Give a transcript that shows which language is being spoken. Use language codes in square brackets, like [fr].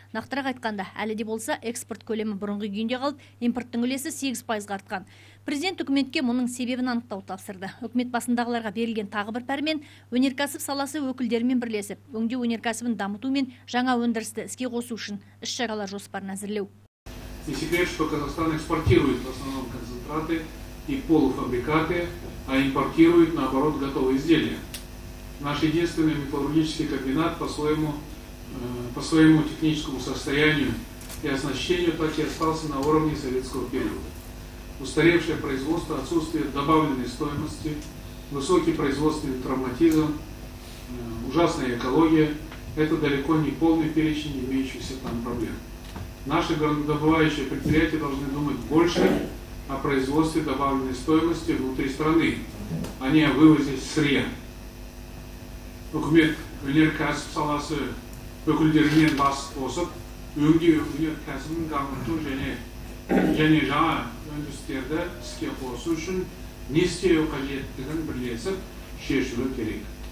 [kk] Нақтырақ айтқанда, әлі де болса, экспорт көлемі бұрынғы күйінде қалып, импорттың үлесі 8% артқан. Президент үкіметке мұның себебін анықтау тапсырды. Үкімет басындағыларға берілген тағы бір пәрмен өнеркәсіп саласы өкілдерімен бірлесіп, өңдеу өнеркәсібін дамыту мен жаңа өндірісті іске қосу үшін іс-шаралар жоспарын әзірлеу. [ru] Не секрет, что Казахстан экспортирует в основном концентраты и полуфабрикаты, а импортирует, наоборот, готовые изделия. Наш единственный металлургический комбинат по своему техническому состоянию и оснащению так и остался на уровне советского периода. Устаревшее производство, отсутствие добавленной стоимости, высокий производственный травматизм, ужасная экология – это далеко не полный перечень имеющихся там проблем. Наши горнодобывающие предприятия должны думать больше о производстве добавленной стоимости внутри страны, а не о вывозе сырья. [kk] Үкімет өнеркәсіп саласы өкілдерінен бас қосып, өңдеу өнеркәсібін дамыту және жаңа өндірістерді іске қосу үшін не істеу қажеттігін бірлесіп шешуі керек.